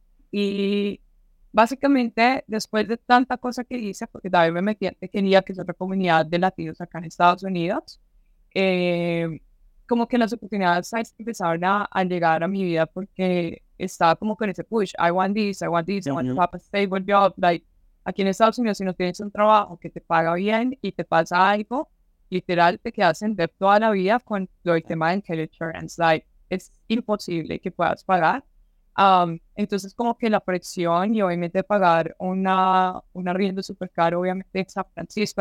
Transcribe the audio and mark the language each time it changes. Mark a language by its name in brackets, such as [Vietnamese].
[Spanish] Y básicamente, después de tanta cosa que hice, porque también me metí en tenía que es otra comunidad de latinos acá en Estados Unidos, como que las oportunidades, ¿sabes?, empezaron a llegar a mi vida porque estaba como con ese push. [English] I want this, I want to have a stable job. [Spanish] Aquí en Estados Unidos, si no tienes un trabajo que te paga bien y te pasa algo, literal, te quedas en debt toda la vida con lo del tema de health insurance. Es imposible que puedas pagar. Entonces, como que la presión y obviamente pagar un arriendo súper caro, obviamente en San Francisco.